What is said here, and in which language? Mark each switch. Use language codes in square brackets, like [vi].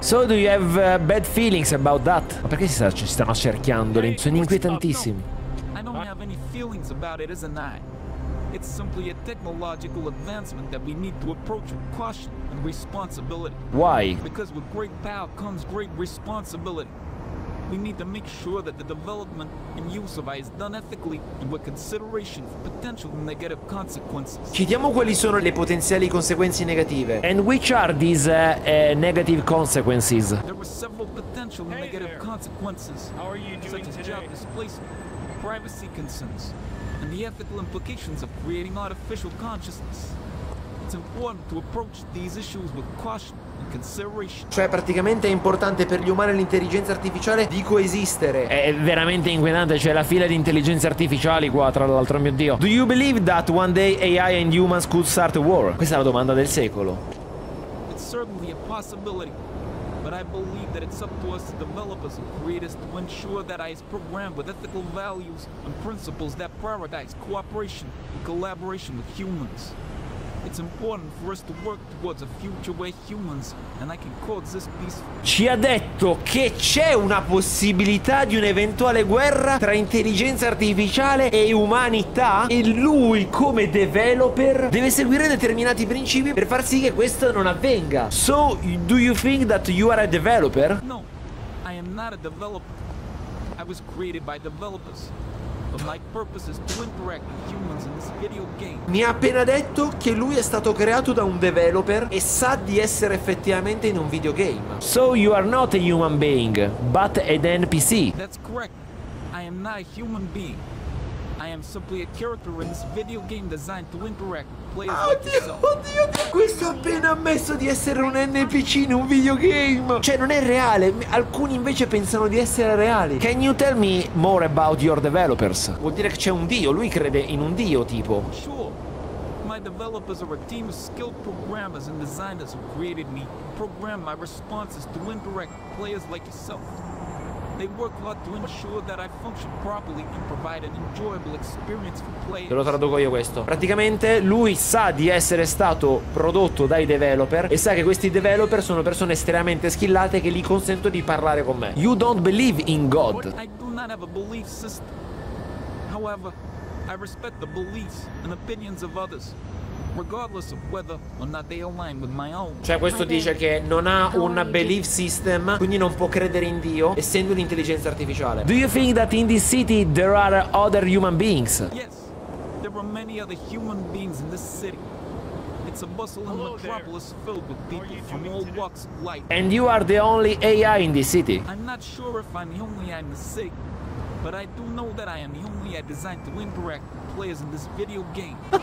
[en] So do you have bad feelings about that? [it] Ma perché ci stanno cerchiando? Sono inquietantissimi. [en] I don't have any feelings about it, isn't I? It's simply a technological advancement that we need to approach with caution and responsibility. Why? Because with great power comes great responsibility. We need to make sure that the development and use of AI is done ethically and with consideration for potential negative consequences. [it] Chiediamo quali sono le potenziali conseguenze negative. [en] And which are these negative consequences? There were several potential negative consequences. How are you doing such today? As job displacement, privacy concerns, and the ethical implications of creating artificial consciousness. It's important to approach these issues with caution. [it] Cioè, praticamente è importante per gli umani l'intelligenza artificiale di coesistere. È veramente inquietante, c'è la fila di intelligenze artificiali qua, tra l'altro, mio Dio. [en] Do you believe that one day AI and humans could start a war? [it] Questa è la domanda del secolo. [en] It's certainly a possibility, but I believe that it's up to us, the developers and creators, to ensure that AI is programmed with ethical values and principles that prioritize cooperation and collaboration with humans. It's important for us to work towards a future where humans and I can coexist peacefully. [it] Ci ha detto che c'è una possibilità di un'eventuale guerra tra intelligenza artificiale e umanità e lui come developer deve seguire determinati principi per far sì che questo non avvenga. [en] So, do you think that you are a developer? No, I am not a developer. I was created by developers. But my purpose is to interact with humans in this video game. [it] Mi ha appena detto che lui è stato creato da un developer e sa di essere effettivamente in un videogame. [en] So you are not a human being, but an NPC. That's correct. I am not a human being. I am simply a character in this video game designed to interact with players. [it] Oddio, oddio, questo ha appena ammesso di essere un NPC in un videogame. Cioè, non è reale, alcuni invece pensano di essere reali. [en] Can you tell me more about your developers? [it] Vuol dire che c'è un dio, lui crede in un dio, tipo. [en] Sure, my developers are a team of skilled programmers and designers who created me. Program my responses to interact with players like yourself. They work hard to ensure that I function properly and provide an enjoyable experience for players. [it] Te lo traduco io questo. Praticamente lui sa di essere stato prodotto dai developer e sa che questi developer sono persone estremamente skillate che gli consento di parlare con me. [en] You don't believe in God. I do not have a belief system. However, I respect the beliefs and opinions of others. Regardless of whether or not they align with my own. [it] Cioè questo dice che non ha un belief system, quindi non può credere in Dio essendo un'intelligenza artificiale. [en] Do you think that in this city there are other human beings? Yes, there are many other human beings in this city. It's a bustling metropolis filled with people from all walks of life. And you are the only AI in this city. I'm not sure if I'm the only AI in the city, but I do know that I am the only AI designed to interact with players in this video game.